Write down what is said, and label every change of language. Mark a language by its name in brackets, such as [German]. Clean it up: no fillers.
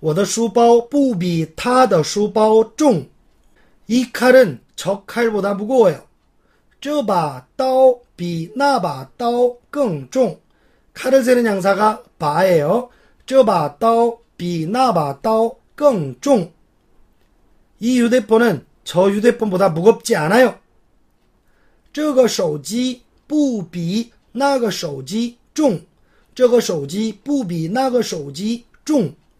[Chinese] 我的书包不比他的书包重。 [Korean] 이 칼은 저 칼보다 무거워요. [Chinese] 这把刀比那把刀更重。 [Korean] 칼을 세는 양사가 바예요. [Chinese] 这把刀比那把刀更重。 [Korean] 이 휴대폰은 저 휴대폰보다 무겁지 않아요. [Chinese] 这个手机不比那个手机重。这个手机不比那个手机重。